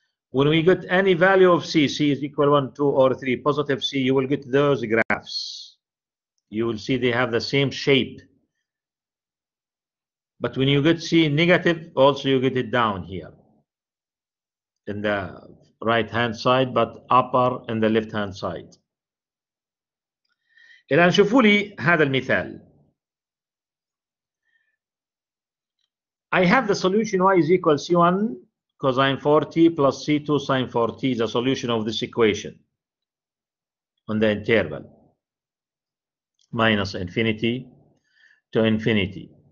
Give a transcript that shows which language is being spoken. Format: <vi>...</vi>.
<en>When we get any value of C, C is equal 1, 2, or 3, positive C, you will get those graphs. you will see they have the same shape. But when you get C negative, also you get it down here in the right hand side, but upper in the left hand side.</en> <ar>الآن شوفوا لي هذا المثال.</ar> <en>I have the solution y is equal to c1 cosine 4t plus c2 sine 4t is the solution of this equation on the interval minus infinity to infinity.</en>